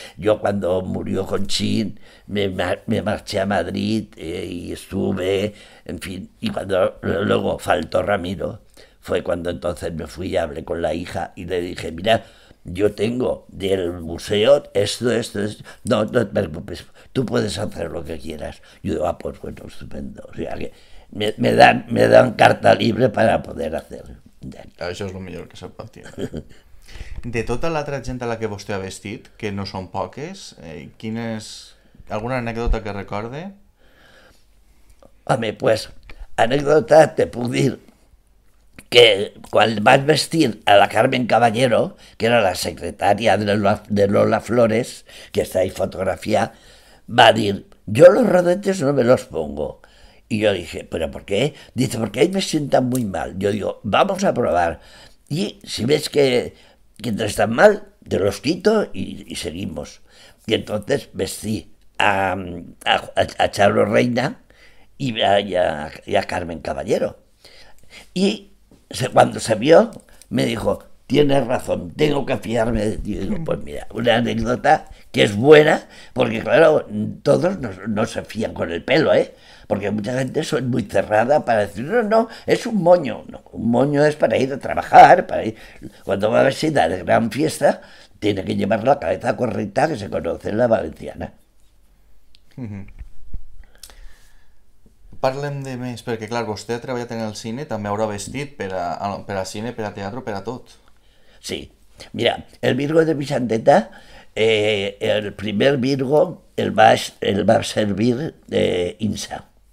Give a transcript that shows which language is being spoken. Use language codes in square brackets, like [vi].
[es] Yo cuando murió Conchín, me marché a Madrid y estuve, en fin, y cuando luego faltó Ramiro, fue cuando entonces me fui y hablé con la hija y le dije, mira, yo tengo del museo esto, no, no te preocupes, tú puedes hacer lo que quieras. Yo digo, ah, pues bueno, estupendo, o sea que me dan carta libre para poder hacer. [ca] Això és el millor que se pot tindre. De tota l'altra gent a la que vostè ha vestit, que no són poques, quina és alguna anècdota que recorde? Home, pues, anècdota te puc dir que quan vaig vestir a la Carmen Caballero, que era la secretària de Lola Flores, que està ahí fotografiada, va dir, jo [es] los rodetes no me los pongo. Y yo dije, ¿pero por qué? Dice, porque ahí me sienta muy mal. Yo digo, vamos a probar. Y si ves que te están mal, te los quito y seguimos. Y entonces vestí a Charo Reina y a Carmen Caballero. Y cuando se vio, me dijo, tienes razón, tengo que fiarme de ti. Digo, pues mira, una anécdota que es buena, porque claro, todos no se fían con el pelo, ¿eh? Porque mucha gente es muy cerrada para decir, no, no, es un moño. No, un moño es para ir a trabajar, para ir. Cuando va a vestir de gran fiesta, tiene que llevar la cabeza correcta que se conoce en la valenciana. [ca] Parlem de més, perquè clar, vostè ha treballat en el cine, també haurà vestit per a cine, per a teatre, per a tot. Sí, mira, el Virgo de Vicenteta, el primer Virgo el va servir Insa.